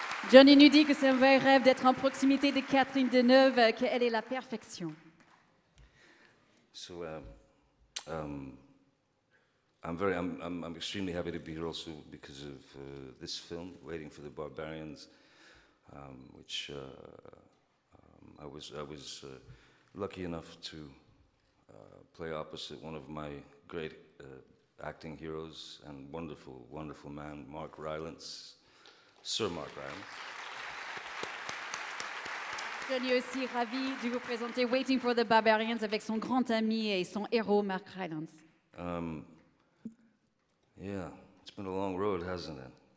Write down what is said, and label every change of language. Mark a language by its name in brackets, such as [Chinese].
[French] Johnny nous dit que c'est un vrai rêve d'être en proximité de Catherine Deneuve, qu'elle est la perfection. [English] So I'm extremely happy to be here also because of this film, Waiting for the Barbarians, which I was lucky enough to play opposite one of my great acting heroes and wonderful, wonderful man, Mark Rylance, Sir Mark Rylance. [French] Je suis aussi ravi de vous présenter Waiting for the Barbarians avec son grand ami et son héros Mark Rylance. [English] It's been a long road, hasn't it?